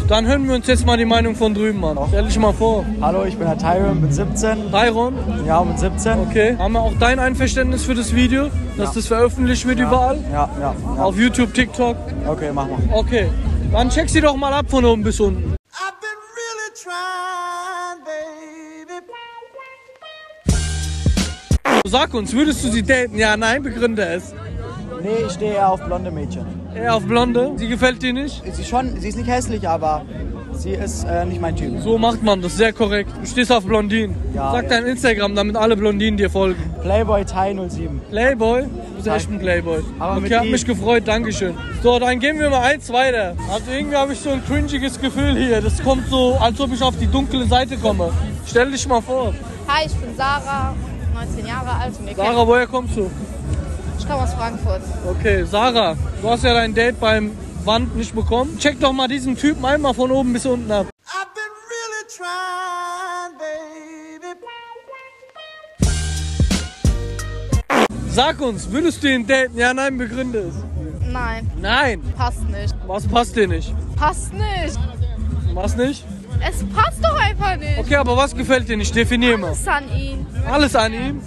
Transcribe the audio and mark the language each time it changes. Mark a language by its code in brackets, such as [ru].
[de] Dann hören wir uns jetzt mal die Meinung von drüben an. Stell dich mal vor. Hallo, ich bin der Tyron mit 17. Tyron? Ja, mit 17. Okay. Haben wir auch dein Einverständnis für das Video, dass das veröffentlicht wird überall? Ja. Auf YouTube, TikTok? Okay, mach mal. Okay, dann check sie doch mal ab von oben bis unten. [en] I've been really trying, baby. [de] Sag uns, würdest du sie daten? Ja, nein, begründe es. Nee, ich stehe eher auf blonde Mädchen. Eher auf blonde? Sie gefällt dir nicht? Sie ist nicht hässlich, aber sie ist nicht mein Typ. So macht man das, sehr korrekt. Du stehst auf Blondinen. Ja, sag dein Instagram, damit alle Blondinen dir folgen. PlayboyThai07. Playboy? Du bist echt ein Playboy. Aber okay, hat mich gefreut, dankeschön. So, dann gehen wir mal eins weiter. Also irgendwie habe ich so ein cringiges Gefühl hier. Das kommt so, als ob ich auf die dunkle Seite komme. Stell dich mal vor. Hi, ich bin Sarah, 19 Jahre alt. Und Sarah, woher kommst du? Ich komme aus Frankfurt. Okay, Sarah, du hast ja dein Date beim Wand nicht bekommen. Check doch mal diesen Typen einmal von oben bis unten ab. [en] I've been really trying, baby. [de] Sag uns, würdest du ihn daten? Ja, nein, begründe es. Nein. Nein? Passt nicht. Was passt dir nicht? Passt nicht. Was nicht? Es passt doch einfach nicht. Okay, aber was gefällt dir nicht? Definier mal. Alles an ihm. Alles an ihm?